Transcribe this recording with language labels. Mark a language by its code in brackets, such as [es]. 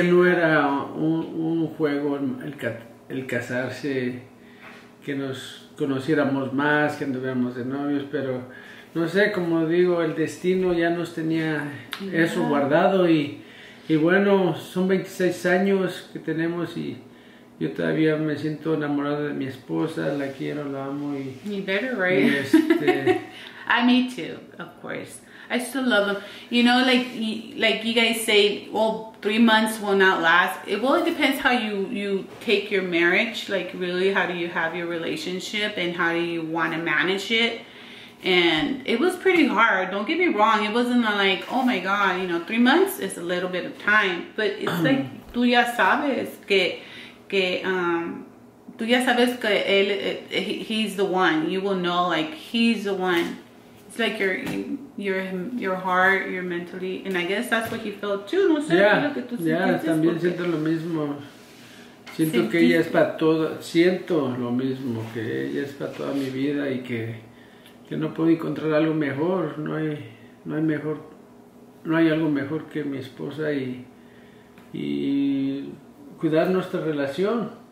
[es] que no era un juego el casarse, que nos conociéramos más, que anduviéramos de novios, pero no sé, como digo, el destino ya nos tenía eso guardado y bueno, son 26 años que tenemos y yo todavía me siento enamorado de mi esposa, la quiero, la amo y... [en] You better, right? [es] Y este... [en] I, me too, of course. I still love him. You know, like you guys say, well, 3 months will not last. Well, it depends how you take your marriage. Like, really, how do you have your relationship and how do you want to manage it? And it was pretty hard, don't get me wrong. It wasn't like, oh my God, you know, 3 months is a little bit of time. But it's like... [es] tú ya sabes que que tú ya sabes que él [en] he's the one. You will know, like, he's the one. It's like your heart, your mentally, and I guess that's what he felt too. [es] No sé, yeah, también porque... siento lo mismo. Siento sentiste. Que ella es para todo, siento lo mismo, que ella es para toda mi vida y que no puedo encontrar algo mejor, no hay algo mejor que mi esposa y cuidar nuestra relación,